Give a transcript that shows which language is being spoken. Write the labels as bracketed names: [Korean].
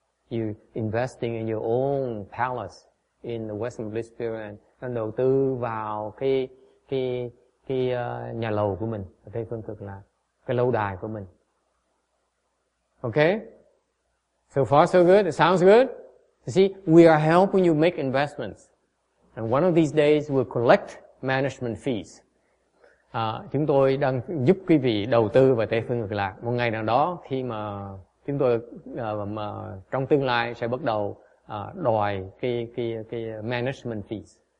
[English] You investing in your own palace in the Western Bliss Pure Land, [Vietnamese] đang đầu tư vào cái nhà lầu của mình ở Tây Phương Cực Lạc, cái lâu đài của mình. [English] Okay? So far so good. It sounds good. You see, we are helping you make investments. And one of these days, we'll collect management fees. [Vietnamese] Chúng tôi đang giúp quý vị đầu tư vào Tây Phương Cực Lạc. Một ngày nào đó, khi mà chúng tôi mà trong tương lai sẽ bắt đầu đòi cái management fees.